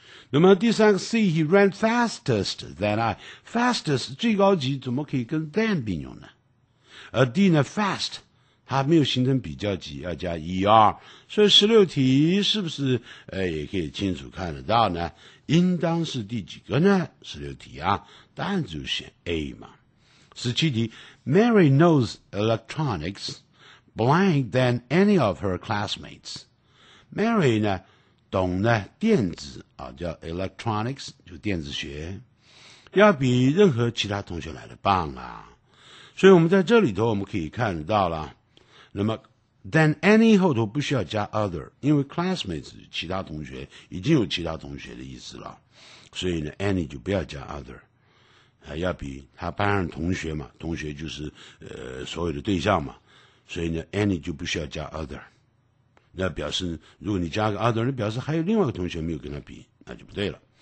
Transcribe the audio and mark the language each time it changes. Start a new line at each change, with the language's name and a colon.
Chinese: 那么第三个 C
English: He ran fastest than I
Chinese: fastest 最高级怎么可以跟 than 并用呢而 D 呢 fast它没有形成比较级要加 ER 所以16题是不是也可以清楚看得到呢应当是第几个呢16题啊答案就选 A 嘛
English: 17题 Mary knows electronics blank than any of her classmates.
Chinese: Mary 呢懂呢电子啊，叫 electronics 就电子学，要比任何其他同学来的棒啊。所以我们在这里头我们可以看到了，那么
English: than any
Chinese: 后头不需要加 other， 因为 classmates 其他同学已经有其他同学的意思了，所以呢 any 就不要加 other， 要比他班上同学嘛，同学就是所有的对象嘛，所以呢 any 就不需要加 other， 那表示如果你加个 other， 那表示还有另外一个同学没有跟他比，那就不对了。